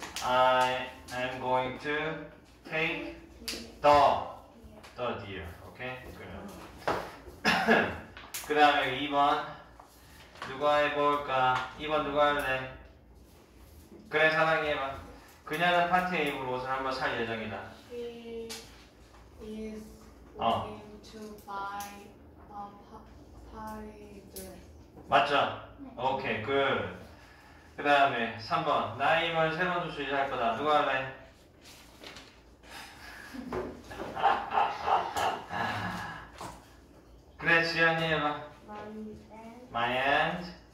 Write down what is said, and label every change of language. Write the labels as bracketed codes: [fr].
[en] I am going to take the deer. [ko] 오케이, 그래요. 그 다음에 2번 누가 해볼까? 2번 누가 할래? 그래, 사랑이 해봐. 그녀는 파티에 입을 옷을 한번 살 예정이다. [en] She is going 어. to buy a party dress. [ko] 맞죠? 네. 오케이, 굿. 그 다음에 3번 나 이번 3번 줄 수 있을 거다. 누가 할래? 그래, 지연이 해봐. [en] My aunt